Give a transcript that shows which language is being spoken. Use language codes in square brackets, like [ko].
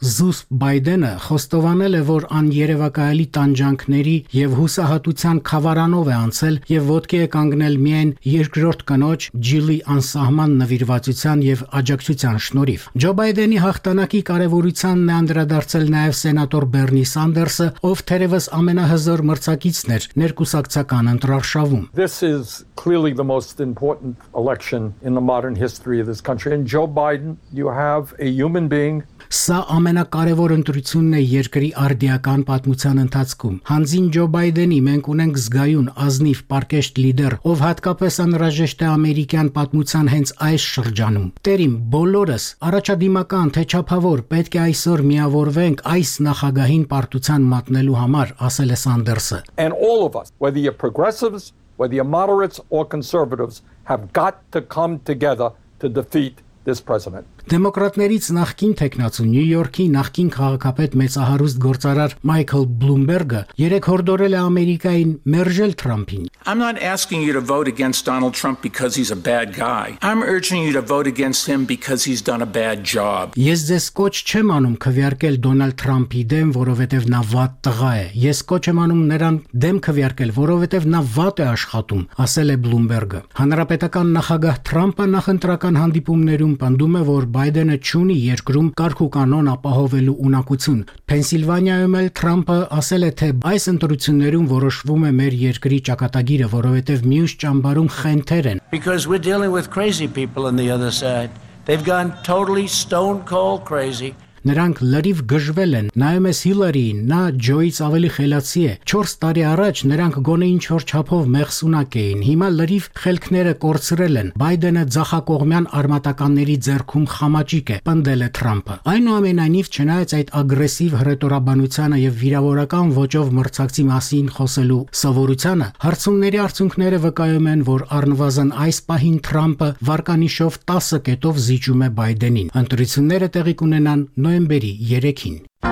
[hy] Զուս Բայդենը խոստովանել է, որ աներևակայական այլի տանջանքների եւ հուսահատության խավարանով է անցել եւ ոտքի է կանգնել միայն երկրորդ կնոջ Ջիլի անսահման նվիրվածության եւ աջակցության շնորհիվ։ Ջո Բայդենի հաղթանակի կարեւորությանն է անդրադարձել նաեւ սենատոր Բերնի Սանդերսը, ով թերևս ամենահզոր մրցակիցն էր ներկուսակցական ընտրարշավում։ [en] This is clearly the most important election in the modern history of this country, and Joe Biden, you have a human being. [hy] Սա ամենակարևոր ընտրությունն է երկրի արդիական պատմության ընթացքում։ Հանձին Ջո Բայդենի մենք ունենք զգայուն, ազնիվ, պարկեշտ լիդեր, ով հատկապես անհրաժեշտ է ամերիկյան պատմության հենց այս շրջանում։ Տերիմ, բոլորս, առաջադիմական թե չափավոր, պետք է այսօր միավորվենք այս նախագահին պարտության մատնելու համար, ասել է Սանդերսը։ [en] And all of us, whether you're progressives, whether you're moderates or conservatives, have got to come together to defeat this president. [hy] Դեմոկրատներից նախկին թեկնածու Նյու Յորքի նախկին քաղաքապետ մեծահարուստ գործարար Մայքլ Բլումբերգը երեկ հորդորել է Ամերիկային մերժել Թրամփին։ [en] I'm not asking you to vote against Donald Trump because he's a bad guy. I'm urging you to vote against him because he's done a bad job. [hy] Ես ձեզ կոչ չեմ անում քվեարկել Դոնալդ Թրամփի դեմ, որովհետև նա վատ տղա է։ Ես կոչ եմ անում նրան դեմ քվեարկել, որովհետև նա վատ է աշխատում, ասել է Բլումբերգը։ Հանրապետական նախագահ Թրամփը նախընտրական հանդիպումներում պնդում է, որ Բայդենը չունի երկրում կարգ ու կանոն ապահովելու ունակություն։ Պենսիլվանիայում էլ Թրամփը ասել է, թե այս ընտրություններում որոշվում է մեր երկրի ճակատագիրը, որովհետև մյուս ճամբարում խենթեր են։ [en] Because we're dealing with crazy people on the other side. They've gone totally stone cold crazy. [hy] Նրանք լրիվ գժվել են, նայում ես Հիլարիին, նա Ջոյից ավելի խելացի է, 4 տարի առաջ նրանք գոնե ինչ-որ չափով մեղսունակ էին, հիմա լրիվ խելքները կորցրել են, Բայդենը ձախակողմյան արմատականների ձեռքում խամաճիկ է, պնդել է Թրամփը։ Այնուամենայնիվ, չնայած այդ ագրեսիվ հրետորաբանությանը և վիրավորական ոճով մրցակցի մասին խոսելու սովորությանը, հարցումների արդյունքները վկայում են, որ առնվազն այս պահին Թրամփը վարկանիշով 10 կետով զիջում է Բայդենին։ Ընտրությունները տեղի կունենան նոյեմբերի 3-ին։